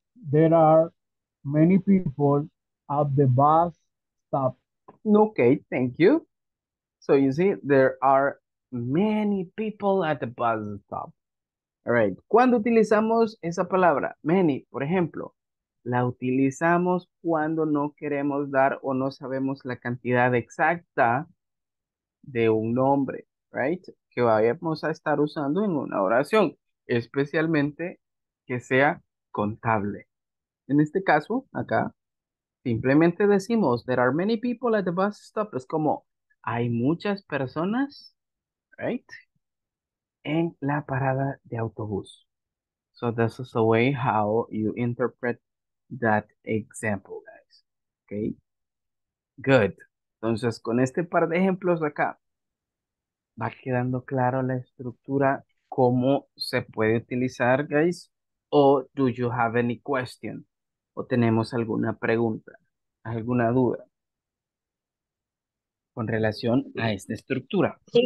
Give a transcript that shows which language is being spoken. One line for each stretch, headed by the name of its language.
English: There are many people at the bus stop. Okay, thank you. So you see, there are many people at the bus stop.
Spanish: All right. ¿Cuándo utilizamos esa palabra? Many, por ejemplo. La utilizamos cuando no queremos dar o no sabemos la cantidad exacta de un nombre, right? Que vayamos a estar usando en una oración, especialmente que sea contable. En este caso, acá, simplemente decimos,
English: there are many people at the bus stop.
Spanish: Es como, hay muchas personas, right? En la parada de autobús.
English: So this is the way how you interpret that example, guys. Okay. Good.
Spanish: Entonces, con este par de ejemplos de acá, va quedando claro la estructura, cómo se puede utilizar, guys. O
English: do you have any question?
Spanish: O tenemos alguna pregunta, alguna duda con relación a esta estructura.